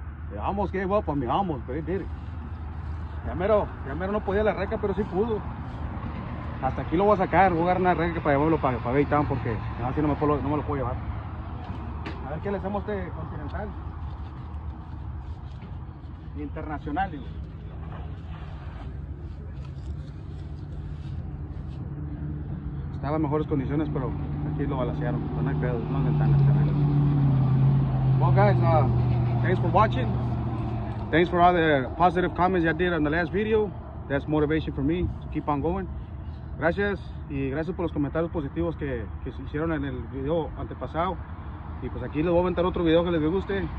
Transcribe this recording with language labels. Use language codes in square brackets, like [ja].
[en] They almost gave up on me, almost, but they did it. [es] Ya mero no podía la reca, pero sí pudo. Hasta aquí lo voy a sacar, voy a agarrar una reca para llevarlo para Gaitán, porque así no me lo puedo llevar. A ver qué le hacemos de continental. Internacional. Estaba en mejores condiciones, pero aquí lo balacearon. No hay pedo, no están las carreras. [en] Well, guys, thanks for watching. Thanks for all the positive comments I did on the last video. That's motivation for me to keep on going. [es] Gracias, y gracias por los comentarios positivos que se hicieron en el video antepasado. Y pues aquí les voy a aventar otro video que les guste.